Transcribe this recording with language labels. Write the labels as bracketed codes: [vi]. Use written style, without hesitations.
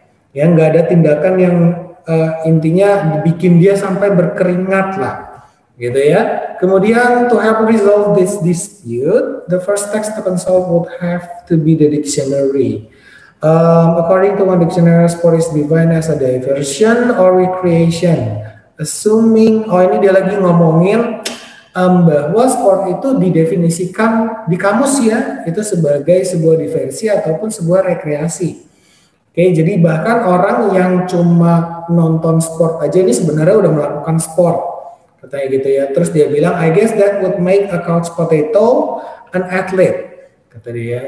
[id] Ya, enggak ada tindakan yang intinya bikin dia sampai berkeringat lah. Gitu ya. Kemudian [en] to help resolve this dispute, the first text to consult would have to be the dictionary. According to one dictionary, sport is defined as a diversion or recreation. Assuming, [id] oh ini dia lagi ngomongin bahwa sport itu didefinisikan di kamus ya, itu sebagai sebuah diversi ataupun sebuah rekreasi. Oke, jadi bahkan orang yang cuma nonton sport aja ini sebenarnya udah melakukan sport, katanya gitu ya. Terus dia bilang, [en] I guess that would make a couch potato an athlete, [id] kata dia.